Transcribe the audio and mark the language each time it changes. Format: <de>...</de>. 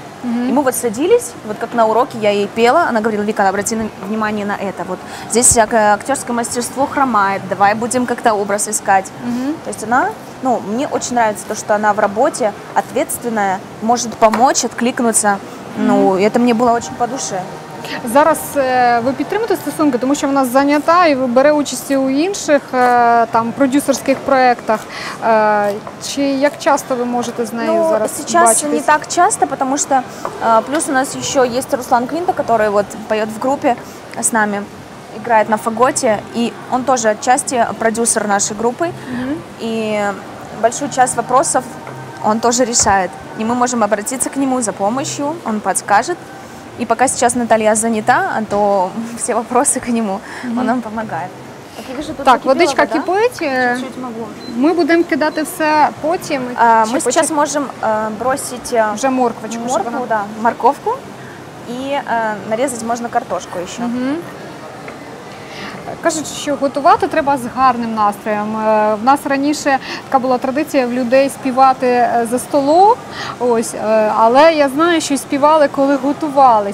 <ru>И мы вот садились, вот как на уроке я ей пела, она говорила: «Вика, обрати внимание на это, вот здесь всякое актерское мастерство хромает, давай будем как-то образ искать». То есть она, ну, мне очень нравится то, что она в работе ответственная, может помочь, откликнуться, ну, это мне было очень по душе.</ru> <uk>Зараз ви підтримуєте стосунки, тому що вона зайнята і бере участь у інших там продюсерських проєктах. Чи як часто ви можете з нею зараз бачитись?</uk> <ru>Ну, сейчас не так часто,</ru> <uk>тому що плюс у нас ще є Руслан Квінта, який вот поє в групі з нами, грає на фаготі, і він теж отчасти продюсер нашої групи. І велику частину вопросов він теж рішає. І ми можемо обратитися к нему за допомогою, він підкаже.</uk> <ru>И пока сейчас Наталья занята, то все вопросы к нему, он нам помогает. Так, я вижу, тут так кипіла, водичка вода. Кипить, чуть-чуть могу.</ru> <uk>Ми будемо кидати все потім. Ми зараз можемо бросити вже морквочку, морковку, вона... да, морковку і нарізати можна картошку ще. Кажуть, що готувати треба з гарним настроєм. В нас раніше така була традиція в людей співати за столом, ось, але я знаю, що співали, коли готували.</uk>